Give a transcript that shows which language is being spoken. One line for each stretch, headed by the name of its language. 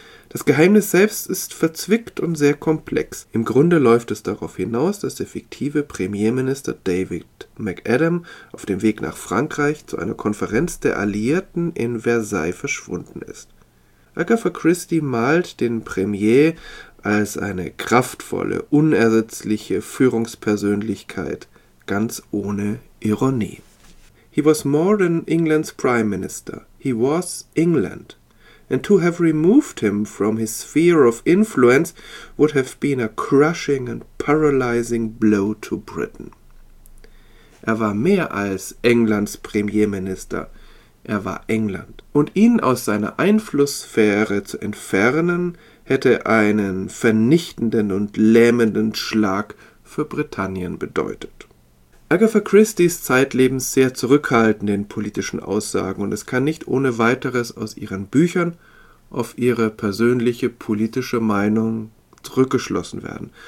German: Das Geheimnis selbst ist verzwickt und sehr komplex. Im Grunde läuft es darauf hinaus, dass der fiktive Premierminister David McAdam auf dem Weg nach Frankreich zu einer Konferenz der Alliierten in Versailles verschwunden ist. Agatha Christie malt den Premier als eine kraftvolle, unersetzliche Führungspersönlichkeit, ganz ohne Ironie.
English: He was more than England's Prime Minister. He was England. And to have removed him from his sphere of influence would have been a crushing and paralyzing blow to Britain.
German: Er war mehr als Englands Premierminister. Er war England. Und ihn aus seiner Einflusssphäre zu entfernen, hätte einen vernichtenden und lähmenden Schlag für Britannien bedeutet. Agatha Christie ist zeitlebens sehr zurückhaltend in politischen Aussagen und es kann nicht ohne weiteres aus ihren Büchern auf ihre persönliche politische Meinung zurückgeschlossen werden.